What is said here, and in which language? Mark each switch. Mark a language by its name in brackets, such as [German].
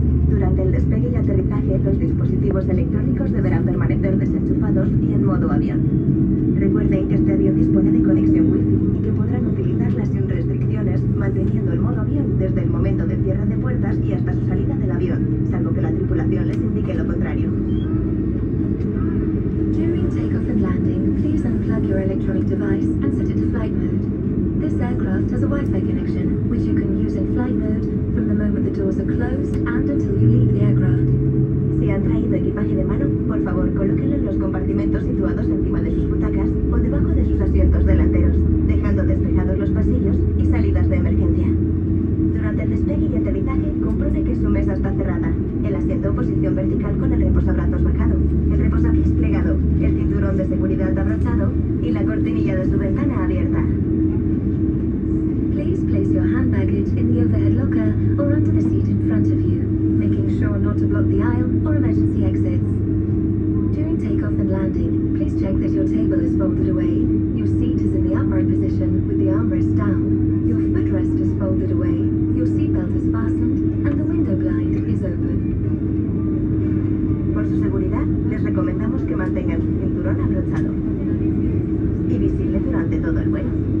[Spanish] Durante el despegue y aterrizaje, los dispositivos electrónicos deberán permanecer desenchufados y en modo avión. Recuerden que este avión dispone de conexión Wi-Fi y que podrán utilizarla sin restricciones, manteniendo el modo avión desde el momento de cierre de puertas y hasta su salida del avión, salvo que la tripulación les indique lo contrario. [English] During takeoff and landing, please unplug your electronic device and set it to flight mode. This aircraft has a Wi-Fi connection, which you can use in flight mode from the moment the doors are closed and until you leave the aircraft. [Spanish] Si han traído equipaje de mano, por favor colóquenlo en los compartimentos situados encima de sus butacas o debajo de sus asientos delanteros, dejando despejados los pasillos y salidas de emergencia. Durante el despegue y aterrizaje, compruebe que su mesa está cerrada, el asiento en posición vertical con el reposabrazos bajado, el reposapiés plegado, el cinturón de seguridad abrochado y la cortinilla de su ventana abierta. [English] Place your hand baggage in the overhead locker or under the seat in front of you, making sure not to block the aisle or emergency exits. During takeoff and landing, please check that your table is folded away, your seat is in the upright position with the armrest down, your footrest is folded away, your seatbelt is fastened, and the window blind is open. [Spanish] Por su seguridad, les recomendamos que mantengan su cinturón abrochado y visible durante todo el vuelo.